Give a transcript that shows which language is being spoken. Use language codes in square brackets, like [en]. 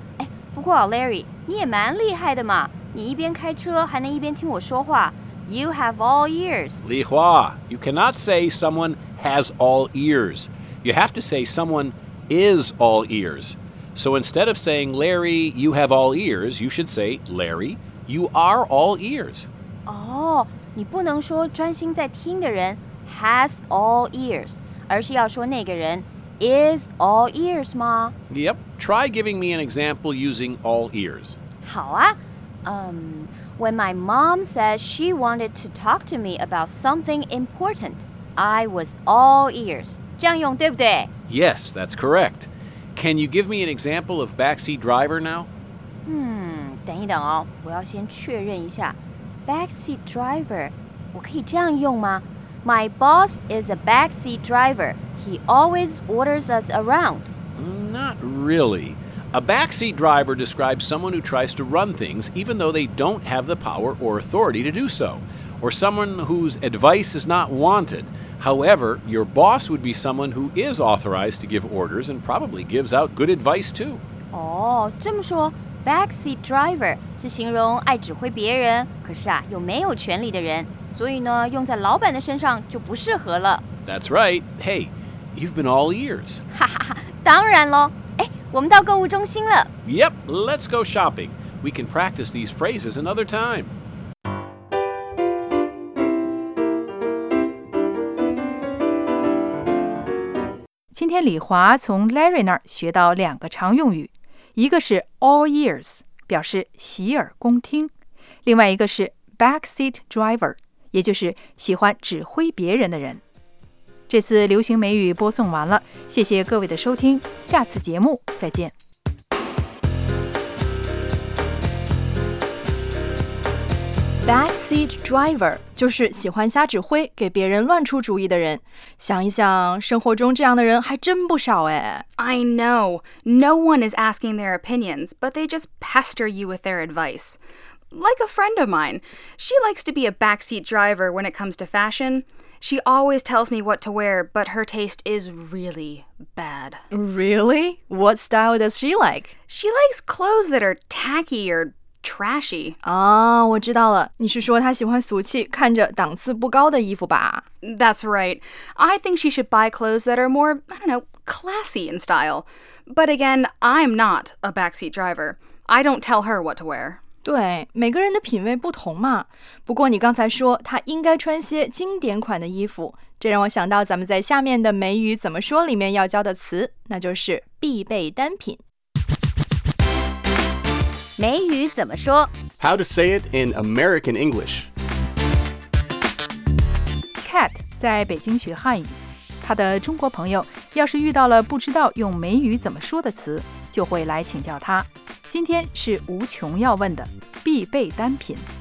[zh] 哎，不过 Larry, 你也蛮厉害的嘛。你一边开车还能一边听我说话。 [en] You have all ears. Li Hua, you cannot say someone has all ears. You have to say someone is all ears. So instead of saying, Larry, you have all ears, you should say, Larry, you are all ears. [zh] Oh, 你不能说专心在听的人 [en] has all ears, [zh] 而是要说那个人 [en] is all ears [zh] 吗? [en] Yep, try giving me an example using all ears. [zh] 好啊。 [en] When my mom said she wanted to talk to me about something important, I was all ears. [zh] 这样用对不对? [en] Yes, that's correct. Can you give me an example of backseat driver now? [zh] 等一等哦，我要先确认一下。Backseat driver, 我可以这样用吗? [en] My boss is a backseat driver. He always orders us around. Not really. A backseat driver describes someone who tries to run things even though they don't have the power or authority to do so, or someone whose advice is not wanted. However, your boss would be someone who is authorized to give orders and probably gives out good advice too. [zh] Oh, 这么说 backseat driver 是形容爱指挥别人，可是啊，又没有权力的人，所以呢，用在老板的身上就不适合了。 [en] That's right. Hey, you've been all ears. [zh] 哈哈，当然咯。我们到购物中心了。 [en] Yep, let's go shopping. We can practice these phrases another time. [zh] 今天李华从 Larry 那儿学到两个常用语，一个是 all ears， 表示洗耳恭听；另外一个是 backseat driver， 也就是喜欢指挥别人的人。这次流行美语播送完了，谢谢各位的收听，下次节目再见。 Backseat driver 就是喜欢瞎指挥，给别人乱出主意的人。想一想，生活中这样的人还真不少哎。 [en] I know, no one is asking their opinions, but they just pester you with their advice. Like a friend of mine, she likes to be a backseat driver when it comes to fashion. She always tells me what to wear, but her taste is really bad. Really? What style does she like? She likes clothes that are tacky or trashy. [zh] Oh, 我知道了。你是说她喜欢俗气、看着档次不高的衣服吧? [en] That's right. I think she should buy clothes that are more, I don't know, classy in style. But again, I'm not a backseat driver. I don't tell her what to wear. [zh] 对，每个人的品味不同嘛。不过你刚才说她应该穿些经典款的衣服，这让我想到咱们在下面的美语怎么说里面要教的词，那就是必备单品。美语怎么说？ [en] How to say it in American English. [zh] Cat 在北京学汉语，她的中国朋友要是遇到了不知道用美语怎么说的词，就会来请教她。今天是无穷要问的必备单品。